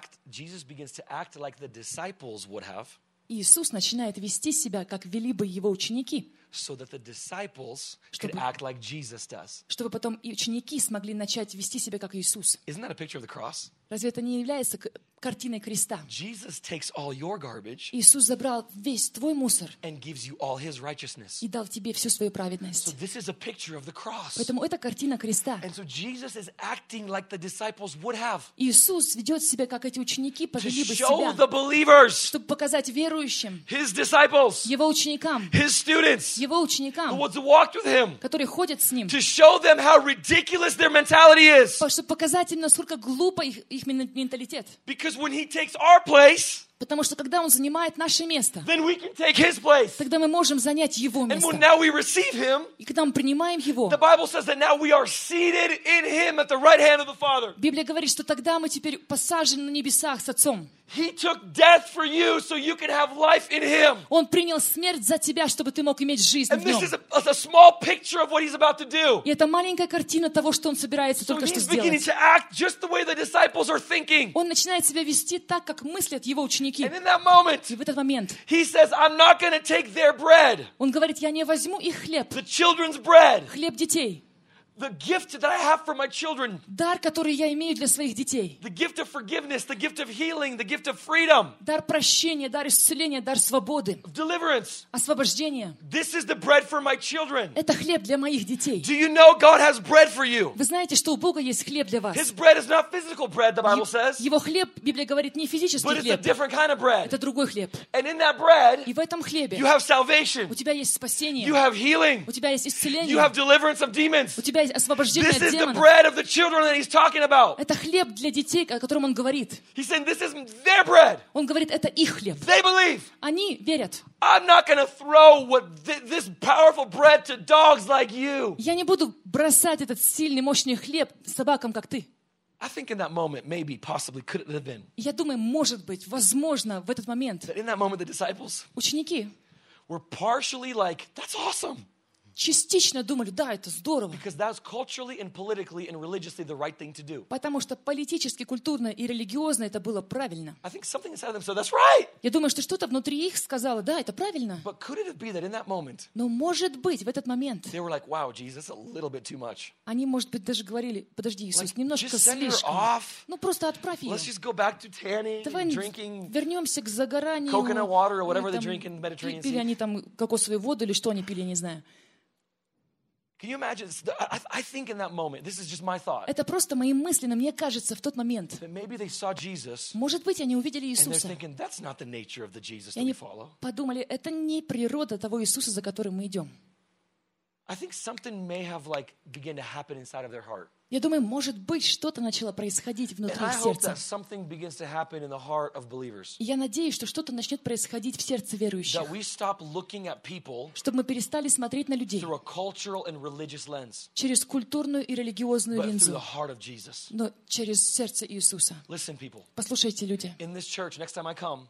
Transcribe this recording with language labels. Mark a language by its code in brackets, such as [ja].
[en] Jesus begins to act like the disciples would have. [ru] Иисус начинает вести себя, как вели бы его ученики. [en] So that the disciples could act like Jesus does. [ru] Чтобы потом ученики смогли начать вести себя как Иисус. [en] Isn't that a picture of the cross? [ru] Разве это не является картиной креста? [en] Jesus takes all your garbage. [ru] Иисус забрал весь твой мусор. [en] And gives you all his righteousness. [ru] И дал тебе всю свою праведность. [en] So this is a picture of the cross. [ru] Поэтому это картина креста. [en] And so Jesus is acting like the disciples would have. [ru] Иисус ведет себя как эти ученики повели бы себя. [en] To show the believers. [ru] Чтобы показать верующим. [en] His disciples. [ru] Его ученикам. [en] His students. [ru] Его ученикам, [en] the ones who walked with him, [ru] которые ходят с ним, [en] to show them how ridiculous their mentality is. [ru] Чтобы показать им, насколько глупо их менталитет. [en] Because when he takes our place, [ru] Потому что когда он занимает наше место, [en] then we can take his place. [ru] Тогда мы можем занять его место. [en] And when now we receive him, [ru] и когда мы принимаем его, [en] the Bible says that now we are seated in him at the right hand of the Father. [ru] Библия говорит, что тогда мы теперь посажены на небесах с Отцом. [en] He took death for you so you could have life in him. [ru] Он принял смерть за тебя, чтобы ты мог иметь жизнь в нём. [en] And this is a small picture of what he's about to do. [ru] И это маленькая картина того, что он собирается только что сделать. [en] So he's beginning to act just the way the disciples are thinking. [ru] Он начинает себя вести так, как мыслят его ученики. [en] And in that moment, [ru] в этот момент, [en] he says, "I'm not going to take their bread." [ru] Он говорит: "Я не возьму их хлеб." [en] The children's bread. [ru] Хлеб детей. [en] The gift that I have for my children. [ru] Дар, который я имею для своих детей. [en] The gift of forgiveness, the gift of healing, the gift of freedom. [ru] Дар прощения, дар исцеления, дар свободы. [en] Deliverance. [ru] Освобождение. [en] This is the bread for my children. [ru] Это хлеб для моих детей. [en] Do you know God has bread for you? [ru] Вы знаете, что у Бога есть хлеб для вас. [en] His bread is not physical bread, the Bible says. [ru] Его хлеб, Библия говорит, не физический хлеб. [en] But it's a different kind of bread. [ru] Это другой хлеб. [en] And in that bread, [ru] и в этом хлебе, [en] you have salvation. [ru] У тебя есть спасение. [en] You have healing. [ru] У тебя есть исцеление. [en] You have deliverance of demons. [ru] У тебя [en] This is the bread of the children that he's talking about. [ru] Это хлеб для детей, о котором он говорит. [en] He's saying this is their bread. [ru] Он говорит, это их хлеб. [en] They believe. [ru] Они верят. [en] I'm not going to throw this powerful bread to dogs like you. [ru] Я не буду бросать этот сильный, мощный хлеб собакам, как ты. [en] I think in that moment, maybe, possibly, could it have been? [ru] Я думаю, может быть, возможно, в этот момент. [en] That in that moment, the disciples. [ru] Ученики. [en] Were partially like, that's awesome. [ru] Частично думали, да, это здорово. [en] Because that's culturally and politically and religiously the right thing to do. [ru] Потому что политически, культурно и религиозно это было правильно. [en] I think something inside of them said, that's right. [ru] Я думаю, что что-то внутри их сказало, да, это правильно. [en] But could it be that in that moment? [ru] Но может быть в этот момент. [en] They were like, wow, Jesus, a little bit too much. [ru] Они может быть даже говорили, подожди, Иисус, немножко слишком. [en] Just send her off. [ru] Ну просто отправь ее. [en] Let's just go back to tanning, [ru] Давай [en] drinking. [ru] Вернемся к загоранию. [en] Coconut water or whatever they drink in the Mediterranean. [ru] Пили они там кокосовую воду или что они пили, я не знаю. [en] Can you imagine? I think in that moment, this is just my thought. [ru] Это просто мои мысли, но мне кажется, в тот момент. [en] Maybe they saw Jesus. [ru] Может быть, они увидели Иисуса. [en] And they're thinking, that's not the nature of the Jesus that we follow. [ru] Они подумали, это не природа того Иисуса, за которым мы идем. [en] I think something may have like begun to happen inside of their heart. [ru] Я думаю, может быть, что-то начало происходить внутри их сердца. [en] And I hope that something begins to happen in the heart of believers. [ru] Я надеюсь, что что-то начнет происходить в сердце верующих. [en] That we stop looking at people. [ru] Чтобы мы перестали смотреть на людей. [en] Through a cultural and religious lens. [ru] Через культурную и религиозную линзу. [en] But through the heart of Jesus. [ru] Но через сердце Иисуса. [en] Listen, people. [ru] Послушайте, люди. [en] In this church, next time I come.